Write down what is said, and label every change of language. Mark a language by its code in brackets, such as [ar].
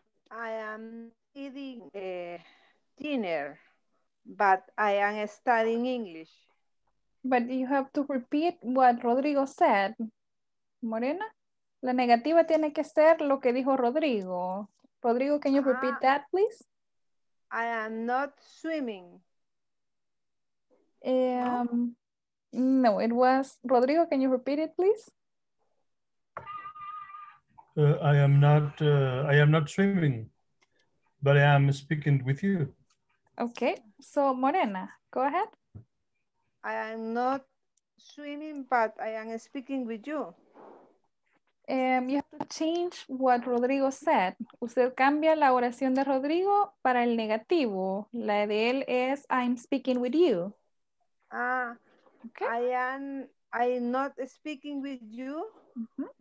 [en] I am eating dinner, but I am studying English. But you have to repeat what Rodrigo said, Morena. [es] La negativa tiene que ser lo que dijo Rodrigo. [en] Rodrigo, can you repeat that, please? I am not swimming. No, it was Rodrigo. Can you repeat it, please? I am not swimming. But I am speaking with you. Okay, so Morena, go ahead. I am not swimming, but I am speaking with you. You have to change what Rodrigo said. [es] Usted cambia la oración de Rodrigo para el negativo. La de él es, [en] I'm speaking with you. Ah, okay. I am not speaking with you, mm-hmm.